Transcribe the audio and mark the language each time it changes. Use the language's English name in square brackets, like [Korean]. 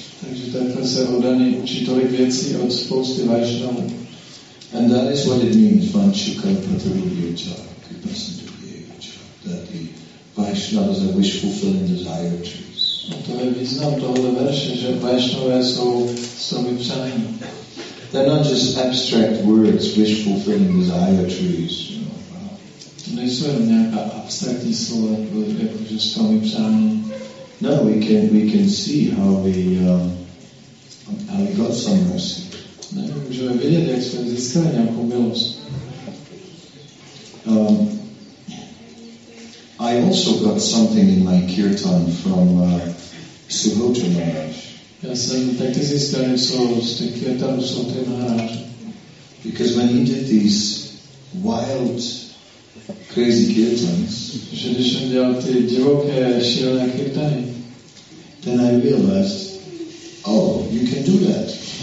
[Czech] Takže takhle se oddaný učí tolik věcí od spousty Vaishnavů. [English] And that is what it means, Vanchuka Patarubhyacha, Kripasandubhyacha, that the Vaishnavas are wish-fulfilling desire trees. [Czech] A to je význam tohle verše, že Vaishnavé jsou stromy přání. [English] They're not just abstract words, wish-fulfilling desire trees. [Czech] To nejsou jen nějaká abstraktní slova, jakože stromy přání. [English] No, we can see how we got some mercy. [Czech] No, můžeme vidět, jak jsme získali nějakou milost. [English] I also got something in my kirtan from Subhuti Maharaj. [Czech] Já jsem taky získal něco z kirtanu Subhuti Maharaj. [English] Because when he did these wild, crazy kirtans, [Czech] že když on dělal ty divoké, šílené kirtany, [English] then I realized, oh, you can do that.